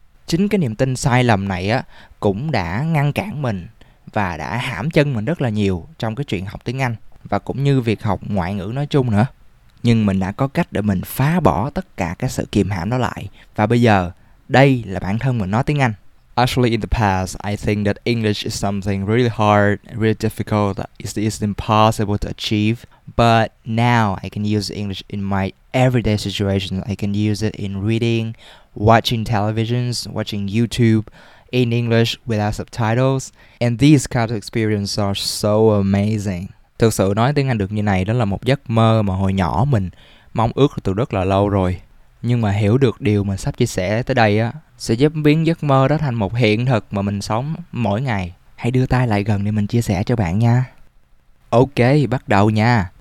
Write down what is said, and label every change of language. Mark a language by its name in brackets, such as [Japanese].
[Vietnamese] Chính cái niềm tin sai lầm này cũng đã ngăn cản mình và đã hãm chân mình rất là nhiều trong cái chuyện học tiếng Anh và cũng như việc học ngoại ngữ nói chung nữa. Nhưng mình đã có cách để mình phá bỏ tất cả cái sự kìm hãm đó lại. Và bây giờ, đây là bản thân mình nói tiếng Anh. [English] Actually, in the past, I think that English is something really hard, really difficult, it's impossible to achieve. But now, I can use English in my everyday situation. I can use it in reading, watching televisions, watching YouTube in English without subtitles. And these kinds of experiences are so amazing. [Vietnamese] Thực sự nói tiếng Anh được như này đó là một giấc mơ mà hồi nhỏ mình mong ước từ rất là lâu rồi. Nhưng mà hiểu được điều mình sắp chia sẻ tới đây á, sẽ giúp biến giấc mơ đó thành một hiện thực mà mình sống mỗi ngày. Hãy đưa tay lại gần để mình chia sẻ cho bạn nha. Ok, bắt đầu nha.